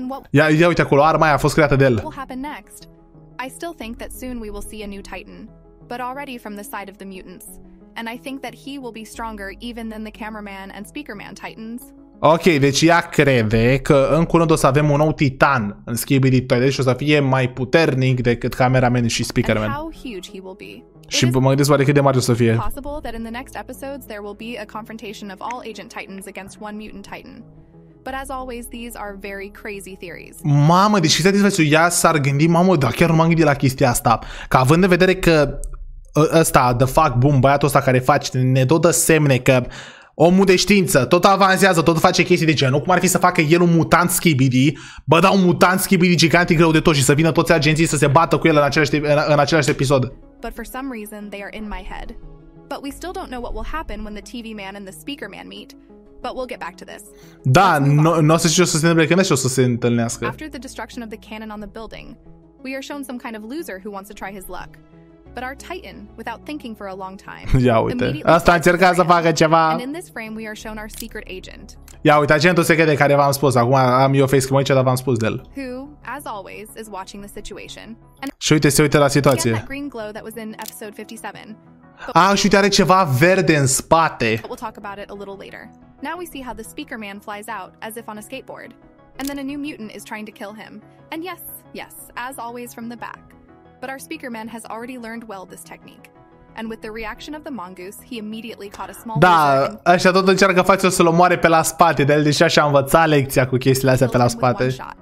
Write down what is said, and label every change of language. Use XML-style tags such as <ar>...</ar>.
<ro>Ia uite acolo, arma aia a fost creată de el.</ro> <en>I still think that soon we will see a new Titan, but already from the side of the mutants. And I think that he will be stronger even than the cameraman and speakerman Titans.</en> <ro>Ok, deci ea crede că în curând o să avem un nou Titan în SKIBIDI și deci o să fie mai puternic decât cameraman și speakerman.</ro> <en>How huge he will be.</en> <ro>Și mă gândesc oare cât de mare o să fie.</ro> <en>Possible that in the next episodes there will be a confrontation of all agent Titans against one mutant Titan. But as always, these are very crazy theories.</en> <ro>Mamă, deci fiți atenți, ea s-ar gândi, mamă, dar chiar nu m-am gândit la chestia asta. Că având în vedere că ăsta, the fuck boom, băiatul ăsta care faci, ne dă semne că omul de știință tot avansează, tot face chestii de genul, cum ar fi să facă el un mutant SKIBIDI, bă, da, un mutant SKIBIDI gigantic greu de tot și să vină toți agenții să se bată cu el în același episod.</ro> <en>But for some reason, they are in my head. But we still don't know what will happen when the TV man and the speaker man meet. But we'll get back to this.</en> <ro>Da, nu o să știu ce o să se întâmple când o să se întâlnească.</ro> <en>After the destruction of the cannon on the building, we are shown some kind of loser who wants to try his luck. But our Titan, without thinking for a long time,</en> <ro>ia uite, asta încerca să facă ceva.</ro> <en>And in this frame we are shown our secret agent.</en> <ro>Ia uite, agentul secret de care v-am spus. Acum am eu face cam aici, dar v-am spus de el.</ro> <en>Who, as always, is watching the situation.</en> <ro>Și uite, se uită la situație.</ro> <en>That green glow that was in episode 57.</en> <ro>A, și uite, are ceva verde în spate.</ro> <en>But we'll talk about it a little later. Now we see how the speaker man flies out as if on a skateboard. And then a new mutant is trying to kill him. And yes, yes, as always from the back. But our speaker man has already learned well this technique. And with the reaction of the mongoose, he immediately caught a small...</en> <ro>Da, ăștia tot încearcă face-o să-l omoare pe la spate, dar el deși așa a învățat lecția cu chestiile astea pe la spate.</ro>